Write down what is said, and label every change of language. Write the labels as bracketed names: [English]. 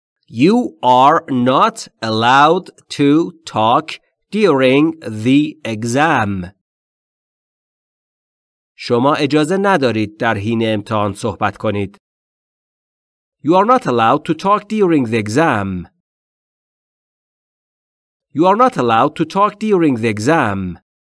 [English] You are not allowed to talk during the exam. [Persian] شما اجازه ندارید در حین امتحان صحبت کنید. [English] You are not allowed to talk during the exam. You are not allowed to talk during the exam.